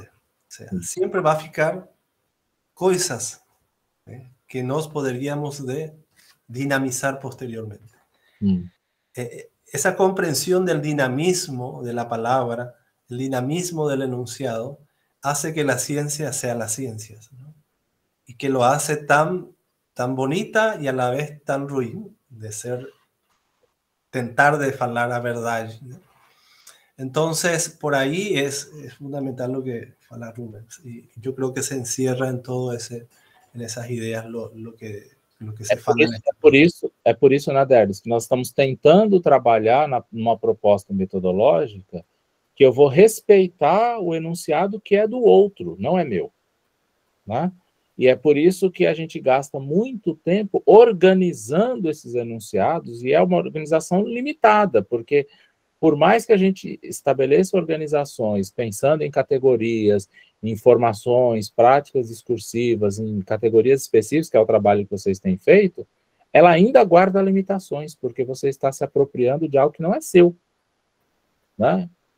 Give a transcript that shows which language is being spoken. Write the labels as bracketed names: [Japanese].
[Portuguese] Ou seja, sempre vai ficar coisas, né, que nós poderíamos de dinamizar posteriormente. Essa compreensão do dinamismo da palavra, o dinamismo do enunciado, faz que a ciência seja a ciência. Né? [Spanish] E que lo hace tan, tan bonita y a la vez tan ruin de ser, tentar de falar la verdad. ¿No? Entonces, por ahí es fundamental lo que fala Rubens. Y yo creo que se encierra en todo ese, en esas ideas lo que se fala. [Portuguese] Por isso, né, Derdes, que nós estamos tentando trabalhar numa proposta metodológica que eu vou respeitar o enunciado que é do outro, não é meu. Né? E é por isso que a gente gasta muito tempo organizando esses enunciados, e é uma organização limitada, porque por mais que a gente estabeleça organizações pensando em categorias, informações, práticas discursivas, em categorias específicas, que é o trabalho que vocês têm feito, ela ainda guarda limitações, porque você está se apropriando de algo que não é seu. Né?